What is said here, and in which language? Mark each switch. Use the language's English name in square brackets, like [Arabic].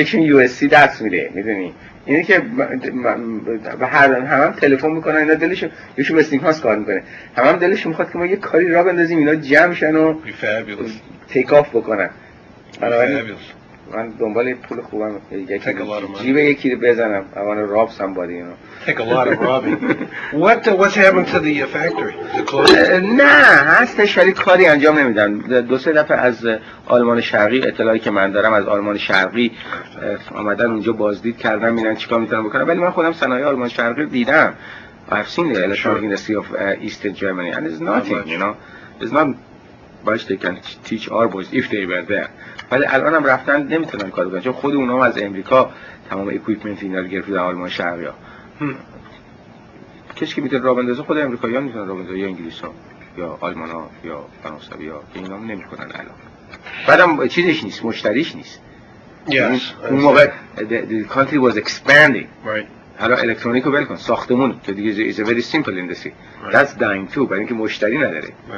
[Persian] یکشون USC درس میده، میدونی؟ اینه که به هر دن همم تلفن میکنن، اینا دلشون، یکشون وستینگهاوس کار میکنه، همم دلشون میخواد که ما یه کاری را بندازیم، اینا جمع شن و تیک آف بکنن. من دنبال پول خوبم، جیب یکی رو بزنم. [English] I want to rob somebody, you know. Take a lot of robbing. What's happened to the factory? [Persian] نه هستش، ولی کاری انجام نمیدن. دو سه دفعه از آلمان شرقی، اطلاعی که من دارم از آلمان شرقی، آمدن اونجا بازدید کردن، میرن چیکار میتونن بکنن. ولی من خودم صنایع آلمان شرقی دیدم. [English] I've seen the electronic industry of Eastern Germany and it's nothing, you know. It's not much they can teach our boys if they were there. [Persian] ولی الان هم رفتن نمیتونن کار کنن، چون خود اونا هم از امریکا تمام اکویپمنت اینا رو گرفت در آلمان شرقی ها. کسی که میتونه راه بندازه خود امریکایی ها میتونن راه بندازه، یا انگلیس ها یا آلمان ها یا فرانسوی ها، که اینا هم نمی کنن الان. بعد هم چیزش نیست، مشتریش نیست. [English] Yes, [Persian] اون موقع [English] the country was expanding. Right. [Persian] حالا الکترونیک رو بل کن، ساختمون که دیگه [English] is a very simple industry. Right. That's dying too، [Persian] برای اینکه مشتری نداره.